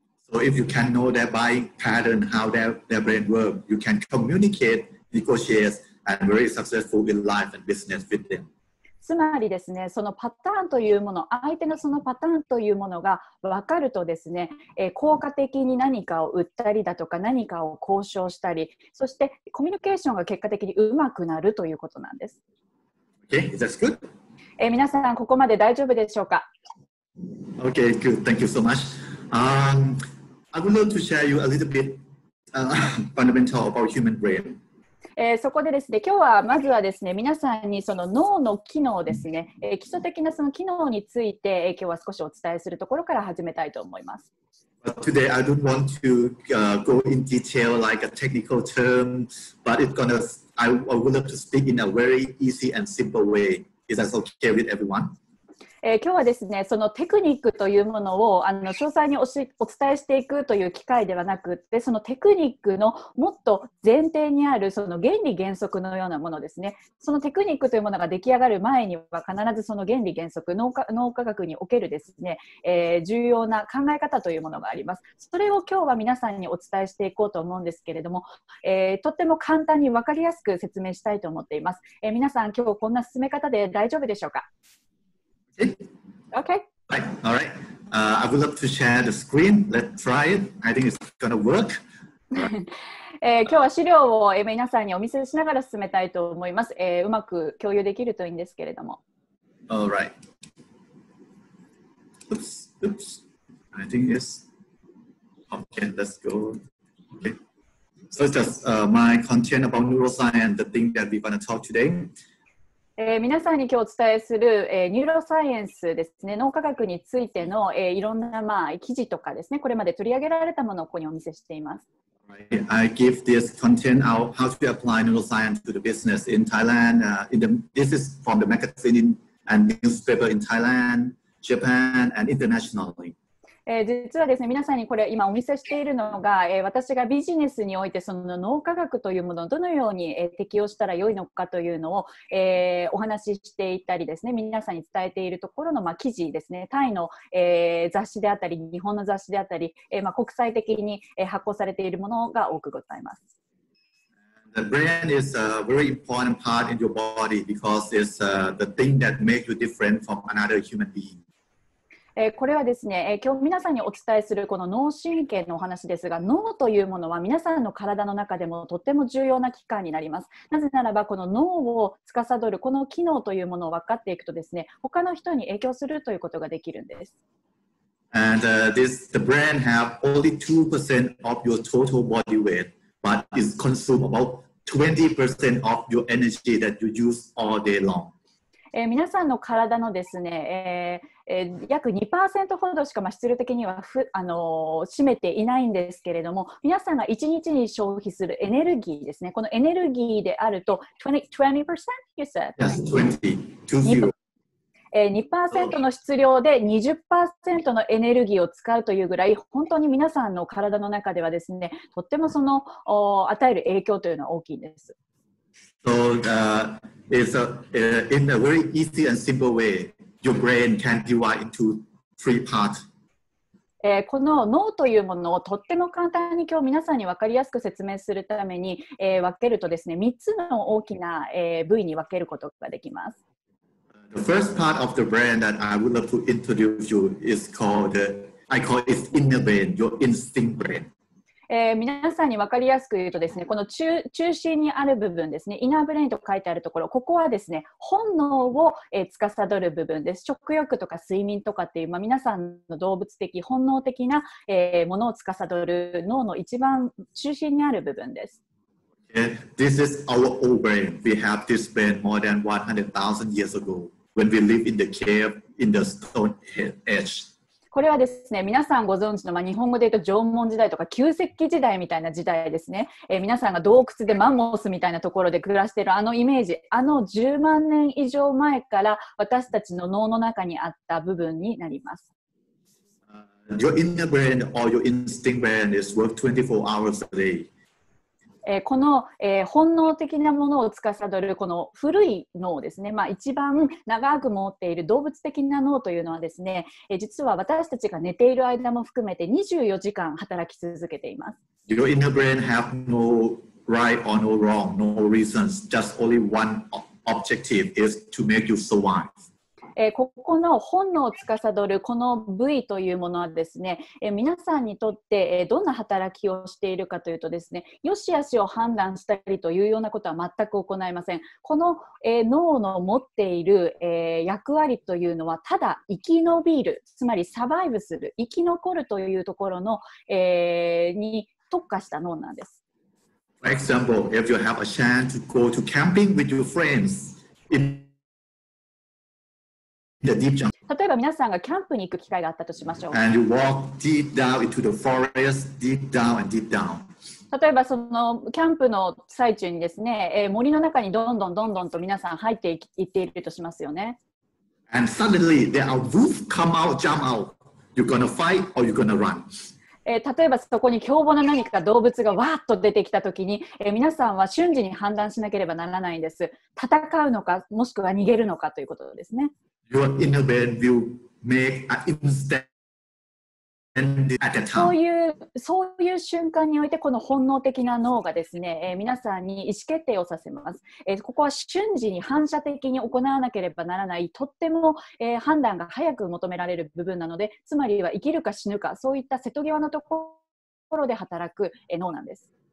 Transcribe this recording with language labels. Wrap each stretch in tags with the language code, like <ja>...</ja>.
<en>So if you can know their buying pattern, how their brain works, you can communicate, negotiate, and very successful in life and business with them.</en> <ja>つまりですね、そのパターンというもの、相手のそのパターンというものが分かるとですね、効果的に何かを売ったりだとか何かを交渉したり、そしてコミュニケーションが結果的にうまくなるということなんです。</ja> <en>Okay, that's good.</en> <ja>皆さん、ここまで大丈夫でしょうか?</ja> <en>Okay, good. Thank you so much. I would love to share you a little bit fundamental about human brain.</en> <ja>そこでですね、今日はまずはですね、皆さんにその脳の機能ですね、基礎的なその機能について、今日は少しお伝えするところから始めたいと思います。</ja> <en>But today I don't want to go in detail like a technical term, but I would love to speak in a very easy and simple way. Is that okay with everyone?</en> <ja>今日はですね、そのテクニックというものを詳細にお伝えしていくという機会ではなくて、そのテクニックのもっと前提にあるその原理原則のようなものですね、そのテクニックというものが出来上がる前には必ずその原理原則、脳科学におけるですね、重要な考え方というものがあります。それを今日は皆さんにお伝えしていこうと思うんですけれども、とっても簡単に分かりやすく説明したいと思っています。皆さん今日こんな進め方で大丈夫でしょうか。</ja> <en>Okay. Right. All right. I would love to share the screen. Let's try it. I think it's gonna work. Right.</en> <ja>今日は資料を皆さんにお見せしながら進めたいと思います。うまく共有できるといいんですけれども。</ja> <en>All right. Oops. Oops. I think yes. Okay. Let's go. Okay. So it's just my content about neuroscience, the thing that we're gonna talk today.</en> <ja>皆さんに今日お伝えする、ニューロサイエンスですね、脳科学についての、いろんな、まあ、記事とかですね、これまで取り上げられたものをここにお見せしています。</ja> <en>I give this content out how to apply neuroscience to the business in Thailand、this is from the magazine and newspaper in Thailand, Japan and internationally。</en> <ja>実はですね、皆さんにこれ今お見せしているのが、私がビジネスにおいてその脳科学というものをどのように、適用したらよいのかというのを、お話ししていたりですね、皆さんに伝えているところの、まあ、記事ですね、タイの、雑誌であったり日本の雑誌であったり、まあ、国際的に、発行されているものが多くございます。</ja> <en>The brain is a very important part in your body because it's the thing that makes you different from another human being</en> <ja>これはですね、今日皆さんにお伝えするこの脳神経のお話ですが、脳というものは皆さんの体の中でもとっても重要な器官になります。なぜならばこの脳を司るこの機能というものを分かっていくとですね、他の人に影響するということができるんです。</ja> <en>And、the brain has only 2% of your total body weight but it consumes about 20% of your energy that you use all day long。</en> <ja>皆さんの体のですね、約 2% ほどしか、まあ、質量的には占めていないんですけれども、皆さんが1日に消費するエネルギーですね、このエネルギーであると 20%</ja> <en>you said? Yes, 20%</en> <ja>の質量で 20% のエネルギーを使うというぐらい、本当に皆さんの体の中ではですね、とってもその与える影響というのは大きいんです。</ja> <en>So, in a very easy and simple way, your brain can divide into three parts.</en> <ja>この脳というものをとっても簡単に今日皆さんに分かりやすく説明するために、分けるとですね、3つの大きな、部位に分けることができます。</ja> <en>The first part of the brain that I would love to introduce you is called, I call it inner brain, your instinct brain.</en> <ja>皆さんに分かりやすく言うとですね、この 中心にある部分ですね、インナーブレインと書いてあるところ、ここはですね、本能を、司る部分です。食欲とか睡眠とかっていう、まあ、皆さんの動物的、本能的な、ものを司る脳の一番中心にある部分です。</ja> <en>This is our old brain. We have this brain more than 100,000 years ago when we lived in the cave in the stone age.</en> <ja>これはですね、皆さんご存知の、まあ、日本語で言うと縄文時代とか旧石器時代みたいな時代ですね、皆さんが洞窟でマンモスみたいなところで暮らしているあのイメージ、あの10万年以上前から私たちの脳の中にあった部分になります。</ja> <en>Your inner brain or your instinct brain is work 24 hours a day。</en> <ja>この、本能的なものを司るこの古い脳ですね、まあ、一番長く持っている動物的な脳というのはですね、実は私たちが寝ている間も含めて24時間働き続けています。</ja> <en>Your inner brain has no right or no wrong, no reasons, just only one objective is to make you survive.</en> <ja>ここの本能を司るこの部位というものはですね、皆さんにとって、どんな働きをしているかというとですね、よし悪しを判断したりというようなことは全く行いません。この、脳の持っている、役割というのはただ生き延びる、つまりサバイブする、生き残るというところの、に特化した脳なんです。</ja> <en>For example, if you have a chance to go to camping with your friends,</en> <ja>例えば皆さんがキャンプに行く機会があったとしましょう。</ja> <en>And you walk deep down into the forest, deep down and deep down.</en> <ja>例えばそのキャンプの最中にですね、森の中にどんどんと皆さん入っていっているとしますよね。</ja> <en>And suddenly there are wolves come out, jump out. You're gonna fight or you're gonna run?</en> <ja>例えばそこに凶暴な何か動物がわーっと出てきたときに、皆さんは瞬時に判断しなければならないんです。戦うのか、もしくは逃げるのかということですね。</ja> <en>Your inner brain will make an instant at a time.</en> <ja>そういう瞬間においてこの本能的な脳がですね、皆さんに意思決定をさせます。ここは瞬時に反射的に行わなければならない、とっても、判断が早く求められる部分なので、つまりは生きるか死ぬか、そういった瀬戸際のところで働く、脳なんです。</ja>